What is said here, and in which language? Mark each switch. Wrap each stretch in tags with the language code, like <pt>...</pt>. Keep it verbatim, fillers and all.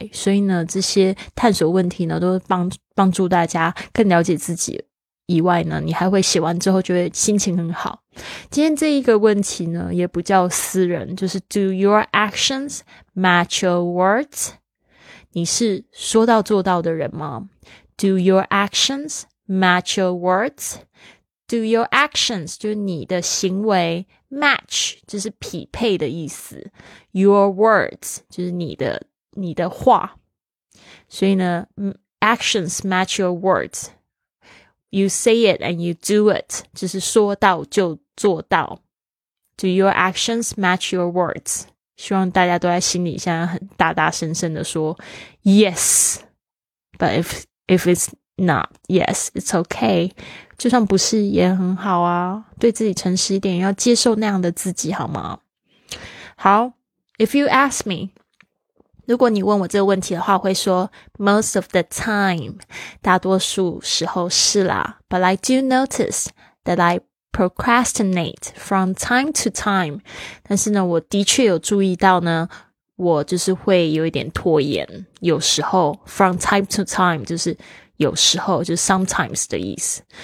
<zh>所以呢，这些探索问题呢都帮帮助大家更了解自己以外呢，你还会写完之后就会心情很好。今天这一个问题呢也比较私人，就是</zh> <en>Do your actions match your words?</en> <zh>你是说到做到的人吗？</zh> <en>Do your actions match your words? Do your actions</en> <zh>就是你的行为</zh> <en>match</en> <zh>就是匹配的意思</zh> <en>your words</en> <zh>就是你的你的话，所以呢</zh> <en>actions match your words, you say it and you do it</en> <zh>就是说到就做到。</zh> <en>Do your actions match your words?</en> <zh>希望大家都在心里现在很大大声声的说</zh> <en>yes, but if, if it's not yes, it's okay，</en> <zh>就算不是也很好啊，对自己诚实一点，要接受那样的自己好吗？好，</zh> <en>If you ask me，</en> <zh>如果你问我这个问题的话，我会说</zh> <en>Most of the time，</en> <zh>大多数时候是啦，</zh> <en>But I do notice that I procrastinate from time to time，</en> <zh>但是呢我的确有注意到呢，我就是会有一点拖延，有时候</zh> <en>from time to time</en> <zh>就是有时候，就是 sometimes 的意思。</zh>